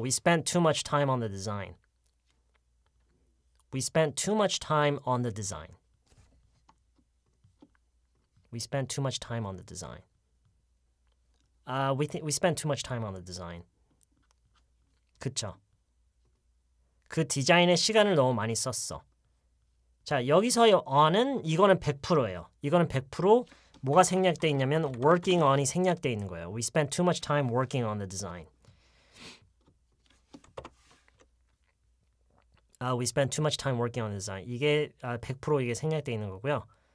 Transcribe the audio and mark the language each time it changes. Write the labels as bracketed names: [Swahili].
[English] We spent too much time on the design. We spent too much time on the design. We spent too much time on the design. We spent too much time on the design. [Korean] 그쵸? 그 디자인에 시간을 너무 많이 썼어. 자, 여기서의 on은 이거는 100%예요. 이거는 100% 뭐가 생략돼 있냐면 working on이 생략돼 있는 거예요. [English] We spent too much time working on the design. We spend too much time working on the design. [Korean] 이게 100% 이게 생략되어 있는 거고요.